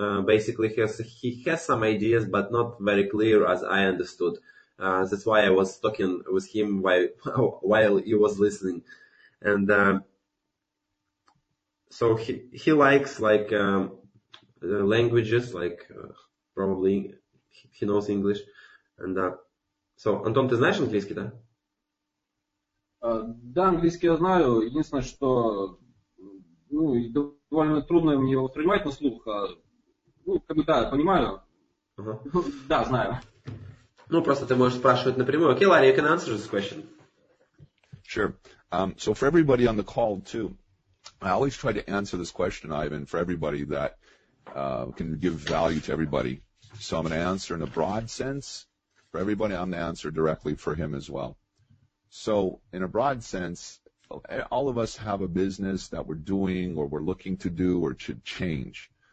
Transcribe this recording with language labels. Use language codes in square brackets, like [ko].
[en] Basically, he has some ideas, but not very clear, as I understood. That's why I was talking with him while he was listening, and so he likes like languages, like probably. He knows English. And so, [ru] Антон, ты знаешь английский, да? Да, английский я знаю. Единственное, что довольно трудно мне его воспринимать на слух. Понимаю. Uh-huh. Да, знаю. Ну, просто ты можешь спрашивать напрямую. [en] Окей, Ларри, you can answer this question. Sure. So for everybody on the call, too, I always try to answer this question, Ivan, for everybody that can give value to everybody. So I'm going to answer in a broad sense for everybody. I'm going to answer directly for him as well. So in a broad sense, all of us have a business that we're doing or we're looking to do or should change.